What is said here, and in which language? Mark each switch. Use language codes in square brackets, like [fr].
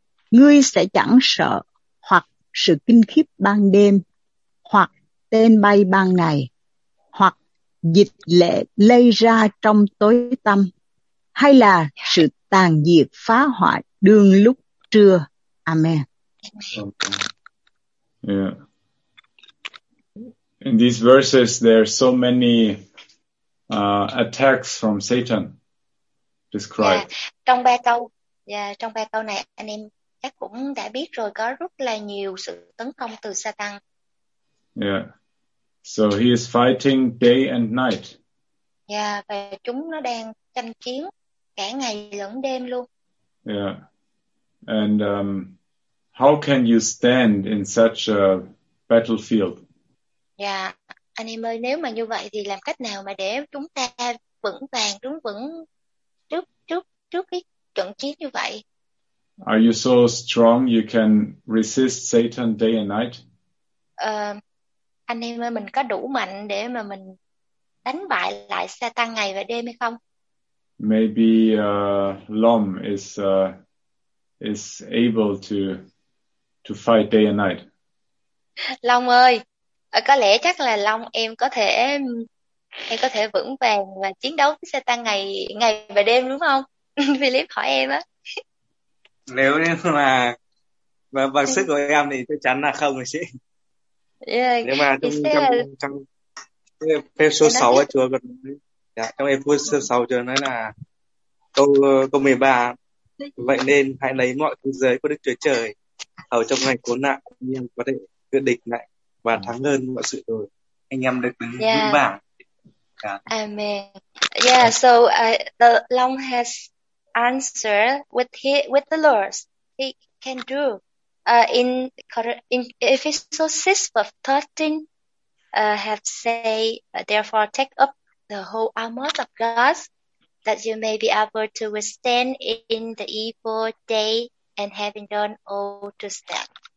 [vi] Ngươi sẽ chẳng sợ hoặc sự kinh khiếp ban đêm, hoặc tên bay ban ngày, hoặc dịch lệ lây ra trong tối tăm, hay là sự tàn diệt phá hoại đương lúc trưa. Amen. [en] Okay. Yeah. In these verses, there are so many attacks from Satan described. [vi] Trong ba câu này, anh em chắc cũng đã biết rồi, có rất là nhiều sự tấn công từ Satan. [en] Yeah. So he is fighting day and night. [vi] Yeah, và chúng nó đang tranh chiến cả ngày lẫn đêm luôn. [en] Yeah. And how can you stand in such a battlefield? [vi] Yeah, anh em ơi, nếu mà như vậy thì làm cách nào mà để chúng ta vững vàng, đứng vững trước cái trận chiến như vậy? [en] Are you so strong you can resist Satan day and night? [vi] Anh em ơi, mình có đủ mạnh để mà mình đánh bại lại Satan ngày và đêm hay không? [en] Maybe Lom is able to fight day and night. [vi] Long ơi, có lẽ chắc là Long em có thể vững vàng và chiến đấu với Satan ngày và đêm đúng không? Philip hỏi em á. Nếu mà bằng sức của em thì chắc chắn là không rồi chị. [en] Yeah. [vi] Nhưng mà trong episode 6 ấy, Chúa còn nói, trong episode 6 Chúa nói là câu 13, vậy nên hãy lấy mọi thứ giới của Đức Chúa Trời ở trong ngày cố nạn, nhưng có thể cự địch lại và thắng hơn mọi sự rồi. Anh em được đứng vững vàng. Amen. [en] Yeah, so the Long has answered with the Lord. He can do. In Ephesians 6:13, have said, therefore take up the whole armor of God, that you may be able to withstand in the evil day, and having done all to stand.